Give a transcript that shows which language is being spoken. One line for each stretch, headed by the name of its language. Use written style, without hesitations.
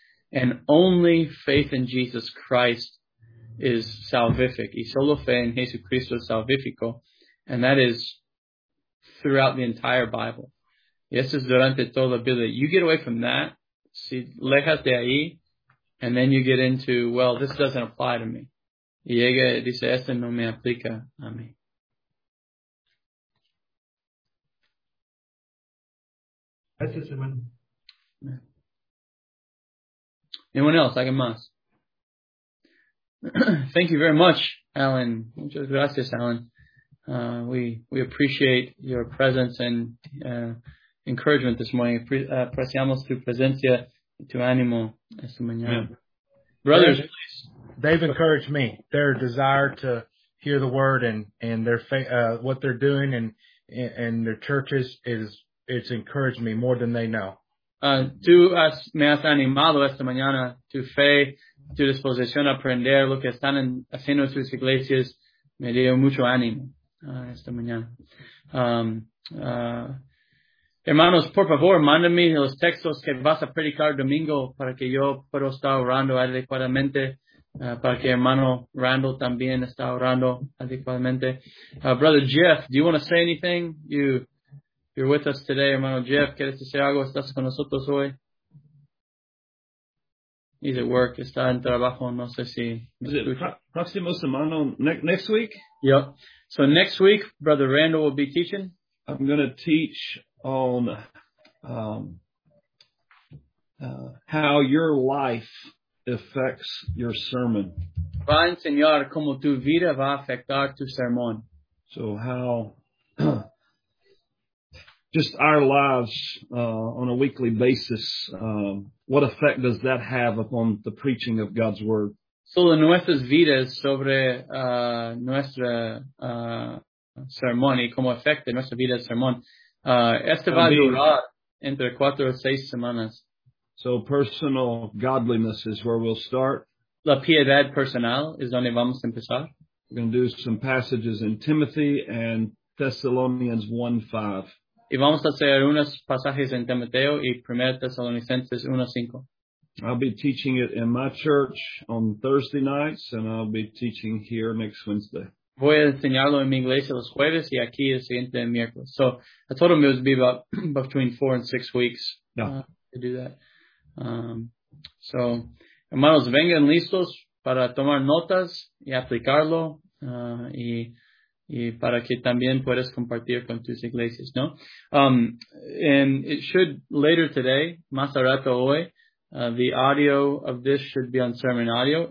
English: And only faith in Jesus Christ is salvific.
Spanish: Y solo fe en Jesucristo es salvifico.
English: And that is throughout the entire Bible.
Spanish: Y eso es durante toda la Biblia.
English: You get away from that,
Spanish: si lejas de ahí,
English: and then you get into, well, this doesn't apply to me.
Spanish: Y llega y dice, esto no me aplica a mí. Gracias, hermano.
English: Anyone else? I can mask. Thank you very much, Alan.
Spanish: Muchas gracias, Alan.
English: We appreciate your presence and encouragement this morning.
Spanish: Apreciamos tu presencia y tu ánimo esta mañana.
English: Yeah. Brothers, please. they've encouraged me, their desire to hear the word and their faith, what they're doing and their churches is, it's encouraged me more than they know.
Spanish: Tú has, me has animado esta mañana, tu fe, tu disposición a aprender lo que están haciendo sus iglesias, me dio mucho ánimo esta mañana. Hermanos, por favor, mándenme los textos que vas a predicar domingo para que yo pueda estar orando adecuadamente, para que hermano Randall también está orando adecuadamente.
English: Brother Jeff, do you want to say anything? You're with us today,
Spanish: hermano Jeff. ¿Quieres decir algo? ¿Estás con nosotros hoy?
English: He's at work.
Spanish: Está en trabajo. No sé si...
English: Is it
Spanish: próximo semana?
English: Next week? Yep. So next week, Brother Randall will be teaching. I'm going to teach on how your life affects your sermon.
Spanish: Va a enseñar cómo tu vida va a afectar tu sermón.
English: So how... Just our lives on a weekly basis, what effect does that have upon the preaching of God's word?
Spanish: Sobre nuestras vidas, sobre nuestra sermón y cómo afecta nuestra vida el sermón. Este va a durar entre 4 o 6 semanas.
English: So personal godliness is where we'll start.
Spanish: La piedad personal es donde vamos a empezar.
English: We're going to do some passages in Timothy and Thessalonians 1:5.
Spanish: Y vamos a hacer unos pasajes en Timoteo y 1 Tesalonicenses 1:5.
English: I'll be teaching it in my church on Thursday nights, and I'll be teaching here next Wednesday.
Spanish: Voy a enseñarlo en mi iglesia los jueves y aquí el siguiente miércoles.
English: So, I told him it would be about between 4 and 6 weeks to do that.
Spanish: So, hermanos, vengan listos para tomar notas y aplicarlo y para que también puedas compartir con tus iglesias, ¿no?
English: And it should, later today,
Spanish: más a rato hoy,
English: the audio of this should be on Sermon Audio.